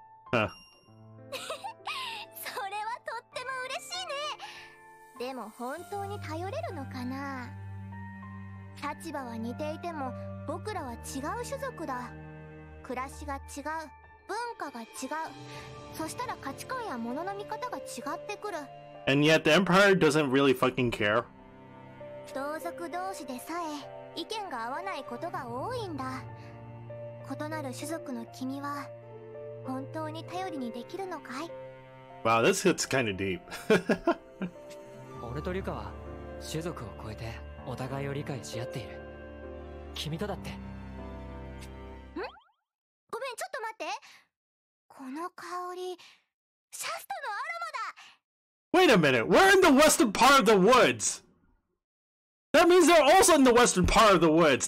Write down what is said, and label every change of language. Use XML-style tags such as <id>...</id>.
<ja>それはとっても嬉しいね。でも本当に頼れるのかな？立場は似ていても、僕らは違う種族だ。暮らしが違う。文化が違う。そしたら価値観や物の見方が違ってくる。</ja> <en>And yet the Empire doesn't really fucking care.</en> <ja>同族同士でさえ意見が合わないことが多いんだ。異なる種族の君は本当に頼りにできるのかい？</ja> <en>w Wow, this hits kind of deep.</en> <ja>俺とリュカは種族を超えてお互いを理解し合っている。君とだって。ん？ごめん、ちょっと待って。この香り、シャストのアロマだ。</ja> <en>Wait a minute, we're in the western part of the woods. That means they're also in the western part of the woods.</en>